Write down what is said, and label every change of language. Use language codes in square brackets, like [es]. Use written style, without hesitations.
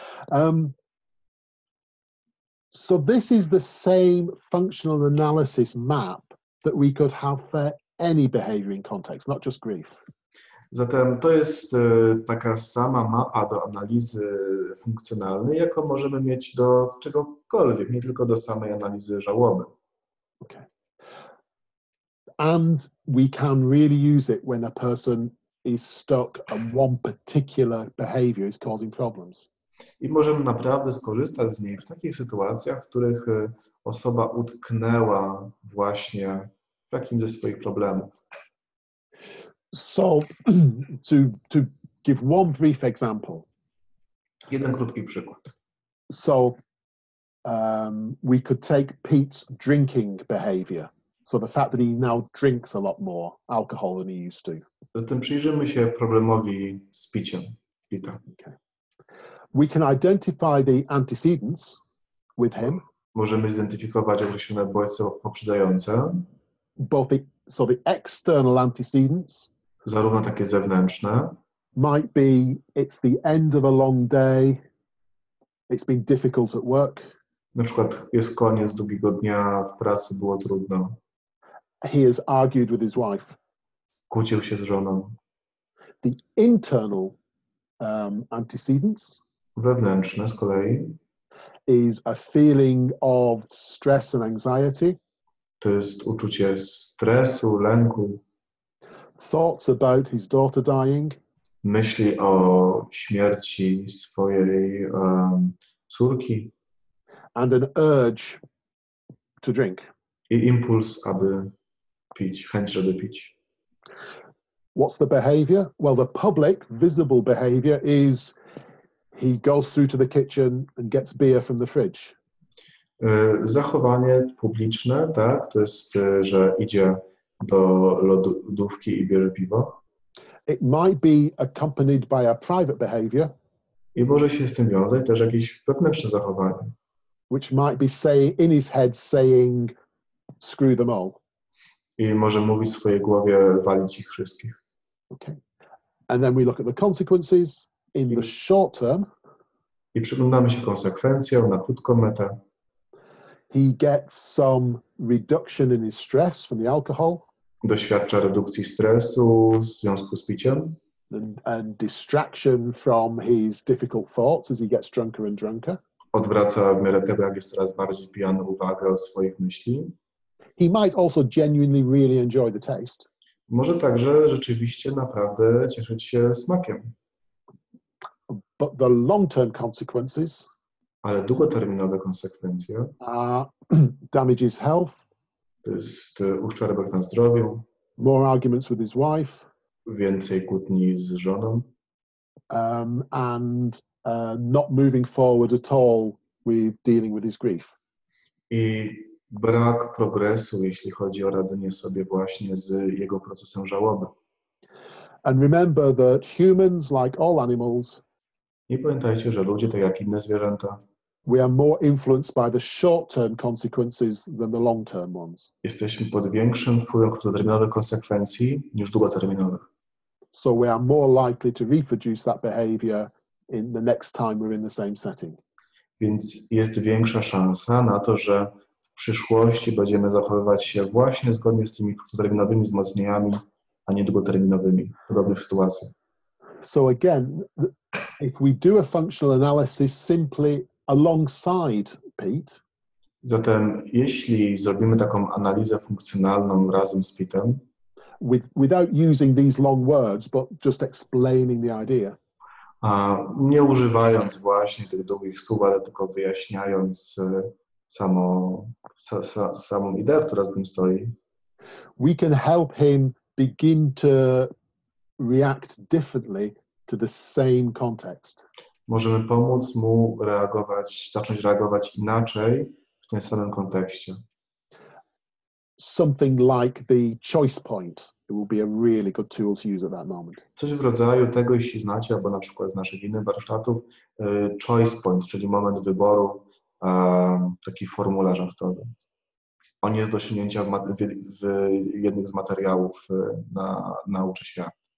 [en] So this is the same functional analysis map that we could have for any behavior in context, not just grief. [pl] Zatem to jest taka sama mapa do analizy funkcjonalnej, jaką możemy mieć do czegokolwiek, nie tylko do samej analizy żałoby. [en] Okay. And we can really use it when a person is stuck and one particular behavior is causing problems. [pl] I możemy naprawdę skorzystać z niej w takich sytuacjach, w których osoba utknęła właśnie w jakimś ze swoich problemów. [en] So, to give one brief example. [pl] Jeden krótki przykład. [en] So, we could take Pete's drinking behavior. So the fact that he now drinks a lot more alcohol than he used to. [pl] Zatem przyjrzymy się problemowi z piciem Pita. [en] Okay. We can identify the antecedents with him. [pl] Możemy zidentyfikować określone bodźce poprzedzające. [en] Both the, so the external antecedents. [pl] Zarówno takie zewnętrzne. [en] Might be it's the end of a long day. It's been difficult at work. [pl] Na przykład jest koniec długiego dnia, w pracy było trudno. [en] He has argued with his wife. [pl] Kłócił się z żoną. [en] The internal antecedents. [pl] Wewnętrzne z kolei. [en] Is a feeling of stress and anxiety. [pl] To jest uczucie stresu, lęku. [en] Thoughts about his daughter dying. [pl] Myśli o śmierci swojej córki. [en] And an urge to drink. [pl] I impuls, aby pić, chęć, żeby pić. [en] What's the behavior? Well, the public visible behavior is he goes through to the kitchen and gets beer from the fridge. [pl] Zachowanie publiczne, tak, to jest, że idzie do lodówki i bierze piwo. [en] It might be accompanied by a private behavior. [pl] I może się z tym wiązać też jakieś wewnętrzne zachowanie. [en] Which might be saying in his head saying screw them all. [pl] I może mówić w swojej głowie walić ich wszystkich. [en] Okay. And then we look at the consequences in the short term. [pl] I przyglądamy się konsekwencjom na krótką metę. [en] He gets some reduction in his stress from the alcohol. [pl] Doświadcza redukcji stresu w związku z piciem. [en] And distraction from his difficult thoughts as he gets drunker and drunker. [pl] Odwraca w miarę tego, jak jest coraz bardziej pijany, uwagę od swoich myśli. [en] He might also genuinely really enjoy the taste. [pl] Może także rzeczywiście naprawdę cieszyć się smakiem. [en] But the long-term consequences. [pl] Ale długoterminowe konsekwencje. [en] Damages health. [pl] To jest uszczerbek na zdrowiu. [en] More arguments with his wife. [pl] Więcej kłótni z żoną. [en] Not moving forward at all with dealing with his grief. [pl] I brak progresu, jeśli chodzi o radzenie sobie właśnie z jego procesem żałoby. [en] And remember that humans, like all animals. [pl] I pamiętajcie, że ludzie, tak jak inne zwierzęta. [en] We are more influenced by the short-term consequences than the long-term ones. [pl] Jesteśmy pod większym wpływem krótkoterminowych konsekwencji niż długoterminowych. [en] So we are more likely to reproduce that behavior in the next time we're in the same setting. [pl] Więc jest większa szansa na to, że w przyszłości będziemy zachowywać się właśnie zgodnie z tymi krótkoterminowymi wzmocnieniami, a nie długoterminowymi w podobnych sytuacjach. [en] So again, if we do a functional analysis simply alongside Pete. [pl] Zatem jeśli zrobimy taką analizę funkcjonalną razem z Pete'em, [en] without using these long words, but just explaining the idea. [pl] Nie używając właśnie tych długich słów, ale tylko wyjaśniając samą ideę, która z tym stoi. [en] we can help him begin to react differently to the same context. [pl] Możemy pomóc mu reagować, zacząć reagować inaczej w tym samym kontekście. [en] Something like the choice point. It will be a really good tool to use at that moment. [pl] Coś w rodzaju tego, jeśli znacie, albo na przykład z naszych innych warsztatów, choice point, czyli moment wyboru, taki formularz aktowy. On jest do osiągnięcia w jednych z materiałów na Uczę świat.